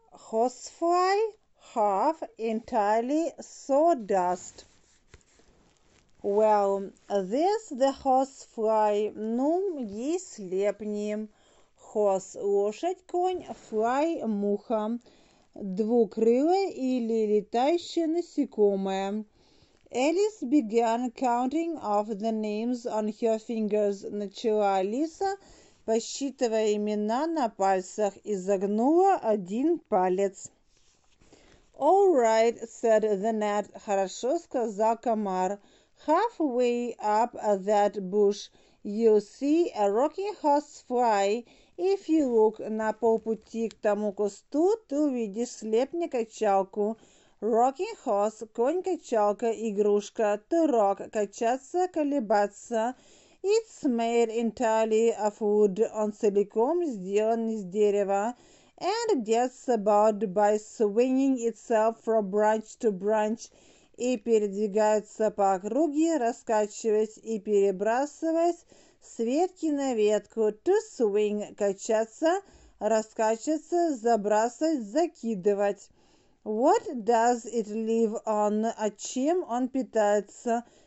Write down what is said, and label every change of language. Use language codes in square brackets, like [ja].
[en] Horsefly have entirely sawdust. Well, this the horsefly, num, [ru] ей слепни. [en] Horse, [ru] лошадь, конь, [en] fly, [ru] муха. Двукрылое или летающее насекомое. [en] Alice began counting off the names on her fingers. [ru] Начала Алиса, посчитывая имена на пальцах, и загнула один палец. [en] All right, said the gnat. [ru] Хорошо, сказал комар. [en] Halfway up that bush you see a rocking horse fly. If you look, [ru] на полпути к тому кусту, ты увидишь слепня-качалку. [en] Rocking horse, [ru] конь-качалка, игрушка, [en] to rock, [ru] качаться, колебаться. [en] It's made entirely of wood, [ru] он целиком сделан из дерева. [en] And gets about by swinging itself from branch to branch. [ru] И передвигается по округе, раскачиваясь и перебрасываясь с ветки на ветку. [en] To swing, [ru] качаться, раскачиваться, забрасывать, закидывать. [en] What does it live on? [ru] А чем он питается?